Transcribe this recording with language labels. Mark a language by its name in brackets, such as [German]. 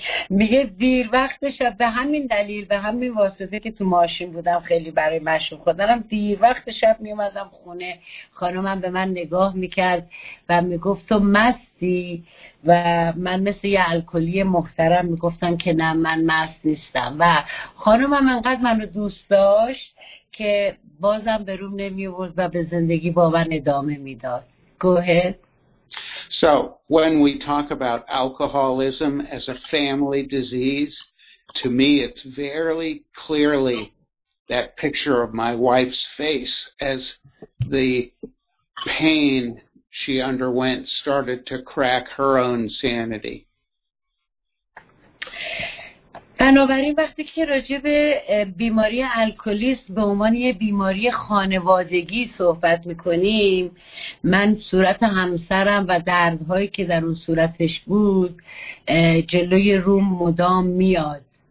[Persian] میگه دیر وقتش به همین دلیل به همین واسطه که تو ماشین بودم خیلی برای مشروب خوردنم دیر وقت شب میومدم خونه خانومم به من نگاه میکرد و میگفت تو مستی و من مثل یه الکلی محترم میگفتم که نه من مست نیستم و خانومم انقدر منو دوست داشت که بازم به روم نمیورد و به زندگی با من ادامه میداد. [English] Go ahead. So when we talk about alcoholism as a family disease, to me it's very clearly that picture of my wife's face as the pain she underwent started to crack her own sanity. [Persian] بنابراین وقتی که راجع به بیماری الکلیست به عنوان یه بیماری خانوادگی صحبت میکنیم من صورت همسرم و دردهایی که در اون صورتش بود جلوی روم مدام میاد.